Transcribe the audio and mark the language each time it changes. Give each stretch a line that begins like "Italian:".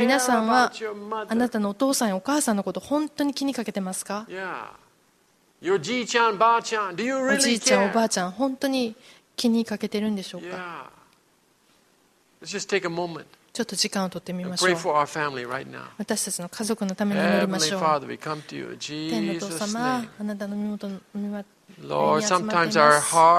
Japanese: 皆さんはあなたのお父さんやお母さんのこと本当に気にかけてますか？
English: Yeah. Your
Japanese: じいちゃんばあちゃん、
English: do you really care?
Japanese: おじいちゃんおばあちゃん本当に気にかけてるんでしょうか？
English: Yeah. Let's just take a moment.
Japanese: ちょっと時間を取ってみましょう。私たちの家族のために祈りましょう。天のお父様、あなたの身元の御に集まっています